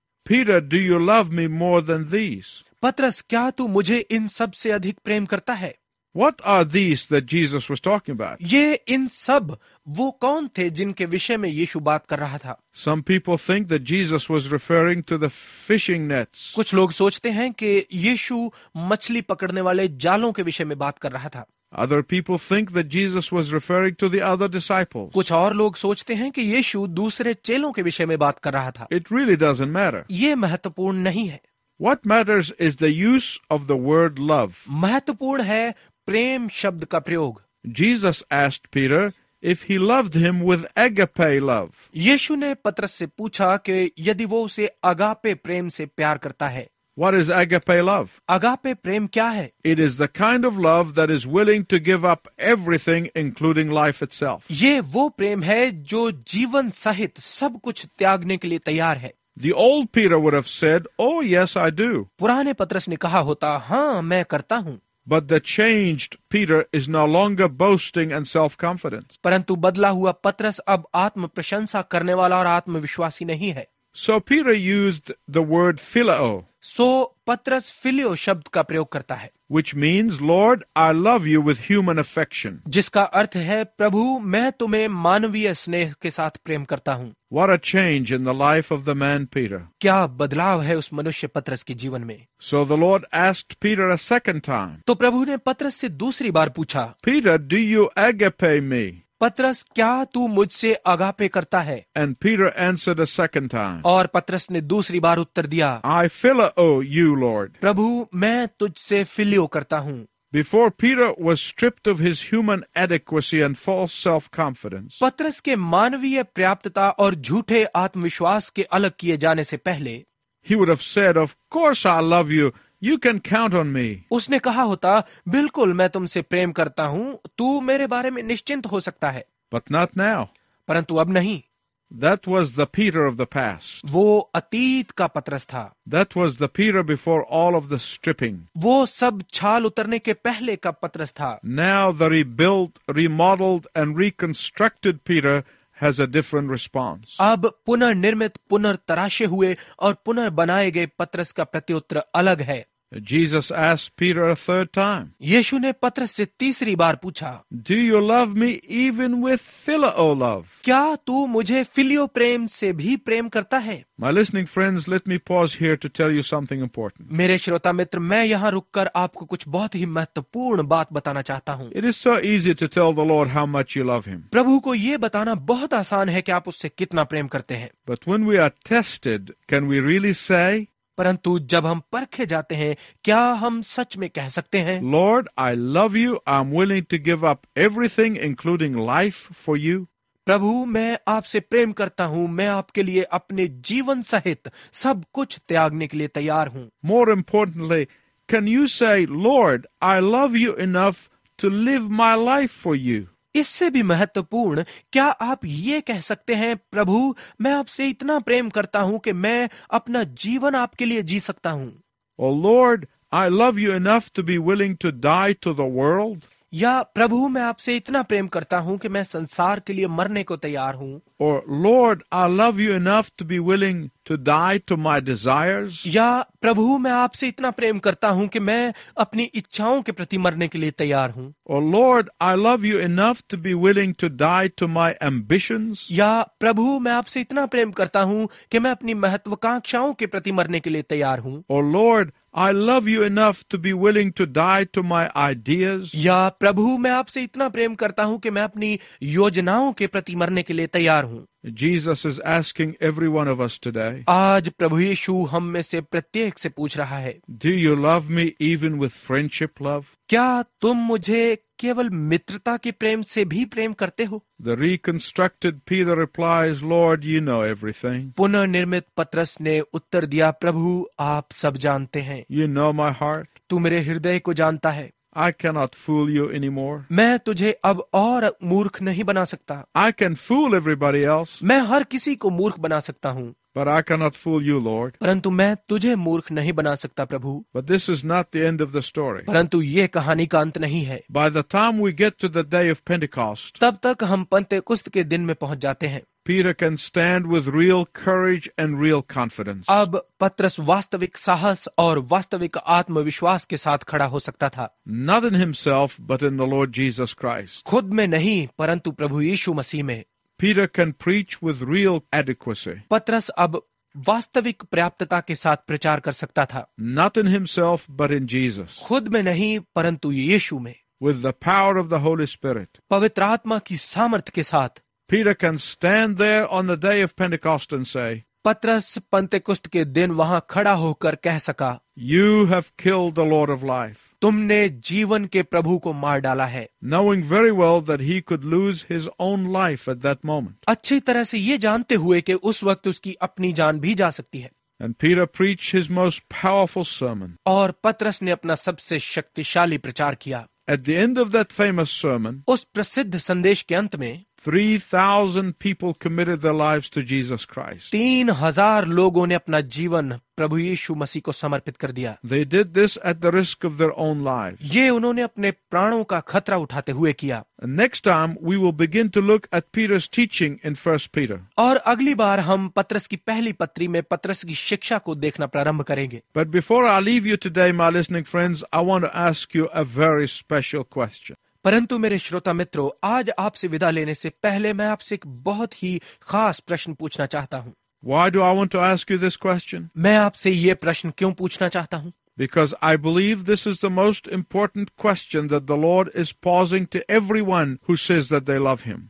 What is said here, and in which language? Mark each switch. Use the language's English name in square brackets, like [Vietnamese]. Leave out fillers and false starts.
[English] Peter, do you love me more than these? [Hindi] पत्रस, क्या तू मुझे इन सब से अधिक प्रेम करता है? [English] What are these that Jesus was talking about? [Hindi] ये इन सब वो कौन थे जिनके विषय में यीशु बात कर रहा था? [English] Some people think that Jesus was referring to the fishing nets. [Hindi] कुछ लोग सोचते हैं कि यीशु मछली पकड़ने वाले जालों के विषय में बात कर रहा था. [English] Other people think that Jesus was referring to the other disciples. [Hindi] कुछ और लोग सोचते हैं कि यीशु दूसरे चेलों के विषय में बात कर रहा था. [English] It really doesn't matter. [Hindi] ये महत्वपूर्ण नहीं है. [English] What matters is the use of the word love. [Hindi] महत्वपूर्ण है प्रेम शब्द का प्रयोग. [English] Jesus asked Peter if he loved him with agape love. [Hindi] यीशु ने पत्रस से पूछा कि यदि वो उसे अगापे प्रेम से प्यार करता है. [English] What is agape love? [Hindi] Agape प्रेम क्या है? [English] It is the kind of love that is willing to give up everything, including life itself. [Hindi] ये वो प्रेम है जो जीवन सहित सब कुछ त्यागने के लिए तैयार है. [English] The old Peter would have said, "Oh yes, I do." [Hindi] पुराने पत्रस ने कहा होता, हाँ मैं करता हूँ. [English] But the changed Peter is no longer boasting and self-confidence. [Hindi] परंतु बदला हुआ पत्रस अब आत्म प्रशंसा करने वाला और आत्मविश्वासी नहीं है. [English] So Peter used the word phileo. So [Hindi] पत्रस फिलियो शब्द का प्रयोग करता है. [English] Which means, Lord, I love you with human affection. [Hindi] जिसका अर्थ है, प्रभु मैं तुम्हें मानवीय स्नेह के साथ प्रेम करता हूँ. [English] What a change in the life of the man Peter. [Hindi] क्या बदलाव है उस मनुष्य पत्रस के जीवन में. [English] So the Lord asked Peter a second time. [Hindi] तो प्रभु ने पत्रस से दूसरी बार पूछा, [English] Peter, do you agape me? [Hindi] पत्रस, क्या तू मुझसे अगापे करता है? [English] And Peter answered a second time. [Hindi] और पत्रस ने दूसरी बार उत्तर दिया, [English] I phileo you, Lord. [Hindi] प्रभु मैं तुझसे फिलियो करता हूँ. [English] Before Peter was stripped of his human adequacy and false self-confidence. [Hindi] पत्रस के मानवीय पर्याप्तता और झूठे आत्मविश्वास के अलग किए जाने से पहले, [English] He would have said, "Of course I love you. You can count on me." [Hindi] उसने कहा होता, बिल्कुल मैं तुमसे प्रेम करता हूँ, तू मेरे बारे में निश्चिंत हो सकता है. [English] But not now. [Hindi] परंतु अब नहीं. [English] That was the Peter of the past. [Hindi] वो अतीत का पत्रस था. [English] That was the Peter before all of the stripping. [Hindi] वो सब छाल उतरने के पहले का पत्रस था. [English] Now the rebuilt, remodeled and reconstructed Peter has a different response. [Hindi] अब पुनर्निर्मित, पुनर्तराशे हुए और पुनर्बनाए गए पत्रस का प्रत्युत्तर अलग है. [English] Jesus asked Peter a third time. [Hindi] यीशु ने पत्रस से तीसरी बार पूछा, [English] Do you love me even with phileo love? [Hindi] क्या तू मुझे फिलियो प्रेम से भी प्रेम करता है? [English] My listening friends, let me pause here to tell you something important. [Hindi] मेरे श्रोता मित्र, मैं यहाँ रुककर आपको कुछ बहुत ही महत्वपूर्ण बात बताना चाहता हूँ. [English] It is so easy to tell the Lord how much you love him. [Hindi] प्रभु को ये बताना बहुत आसान है कि आप उससे कितना प्रेम करते हैं. [English] But when we are tested, can we really say? [Hindi] परंतु जब हम परखे जाते हैं, क्या हम सच में कह सकते हैं, [English] Lord, I love you. I'm willing to give up everything, including life, for you. [Hindi] प्रभु मैं आपसे प्रेम करता हूँ, मैं आपके लिए अपने जीवन सहित सब कुछ त्यागने के लिए तैयार हूँ. [English] More importantly, can you say, Lord, I love you enough to live my life for you? [Hindi] इससे भी महत्वपूर्ण, क्या आप ये कह सकते हैं, प्रभु मैं आपसे इतना प्रेम करता हूँ कि मैं अपना जीवन आपके लिए जी सकता हूँ? [English] Oh Lord, I love you enough to be willing to die to the world. [Hindi] या प्रभु मैं आपसे इतना प्रेम करता हूँ कि मैं संसार के लिए मरने को तैयार हूँ? [English] Or Lord, I love you enough to be willing to die to my desires. [Hindi] या प्रभु मैं आपसे इतना प्रेम करता हूँ कि मैं अपनी इच्छाओं के प्रति मरने के लिए तैयार हूँ? [English] Or Lord, I love you enough to be willing to die to my ambitions. [Hindi] या प्रभु मैं आपसे इतना प्रेम करता हूँ कि मैं अपनी महत्वाकांक्षाओं के प्रति मरने के लिए तैयार हूँ? [English] Or Lord, I love you enough to be willing to die to my ideas. [Hindi] या प्रभु मैं आपसे इतना प्रेम करता हूँ कि मैं अपनी योजनाओं के प्रति मरने के लिए तैयार हूँ? [English] Jesus is asking every one of us today. [Hindi] आज प्रभु यीशु हम में से प्रत्येक से पूछ रहा है, [English] Do you love me even with friendship love? [Hindi] क्या तुम मुझे केवल मित्रता के प्रेम से भी प्रेम करते हो? [English] The reconstructed Peter replies, Lord, you know everything. [Hindi] पुनर्निर्मित पत्रस ने उत्तर दिया, प्रभु आप सब जानते हैं. [English] You know my heart. [Hindi] तू मेरे हृदय को जानता है. [English] I cannot fool you anymore. [Hindi] मैं तुझे अब और मूर्ख नहीं बना सकता. [English] I can fool everybody else. [Hindi] मैं हर किसी को मूर्ख बना सकता हूँ. [English] But I cannot fool you, Lord. [Hindi] परंतु मैं तुझे मूर्ख नहीं बना सकता प्रभु. [English] But this is not the end of the story. [Hindi] परंतु ये कहानी का अंत नहीं है. [English] By the time we get to the day of Pentecost, [Hindi] तब तक हम पंतेकुस्त के दिन में पहुंच जाते हैं. [English] Peter can stand with real courage and real confidence. [Hindi] अब पत्रस वास्तविक साहस और वास्तविक आत्मविश्वास के साथ खड़ा हो सकता था. [English] Not in himself, but in the Lord Jesus Christ. [Hindi] खुद में नहीं, परंतु प्रभु यीशु मसीह में. [English] Peter can preach with real adequacy. [Hindi] पत्रस अब वास्तविक पर्याप्तता के साथ प्रचार कर सकता था. [English] Not in himself, but in Jesus. [Hindi] खुद में नहीं, परंतु यीशु में. [English] With the power of the Holy Spirit. [Hindi] पवित्र आत्मा की सामर्थ के साथ. [English] Peter can stand there on the day of Pentecost and say, [Hindi] पत्रस पंतेकुस्त के दिन वहां खड़ा होकर कह सका, [English] You have killed the Lord of life. [Hindi] तुमने जीवन के प्रभु को मार डाला है. [English] Knowing very well that he could lose his own life at that moment. [Hindi] अच्छी तरह से ये जानते हुए कि उस वक्त उसकी अपनी जान भी जा सकती है. [English] And Peter preached his most powerful sermon. [Hindi] और पत्रस ने अपना सबसे शक्तिशाली प्रचार किया. [English] At the end of that famous sermon, [Hindi] उस प्रसिद्ध संदेश के अंत में [English] 3,000 people committed their lives to Jesus Christ. [Hindi] 3,000 लोगों ने अपना जीवन प्रभु यीशु मसीह को समर्पित कर दिया. [English] They did this at the risk of their own lives. [Hindi] ये उन्होंने अपने प्राणों का खतरा उठाते हुए किया. [English] Next time we will begin to look at Peter's teaching in 1 Peter. [Hindi] और अगली बार हम पत्रस की पहली पत्री में पत्रस की शिक्षा को देखना प्रारंभ करेंगे. [English] But before I leave you today, my listening friends, I want to ask you a very special question. [Hindi] परंतु मेरे श्रोता मित्रों, आज आपसे विदा लेने से पहले मैं आपसे एक बहुत ही खास प्रश्न पूछना चाहता हूँ. [English] Why do I want to ask you this question? [Hindi] मैं आपसे ये प्रश्न क्यों पूछना चाहता हूँ? [English] Because I believe this is the most important question that the Lord is posing to everyone who says that they love Him.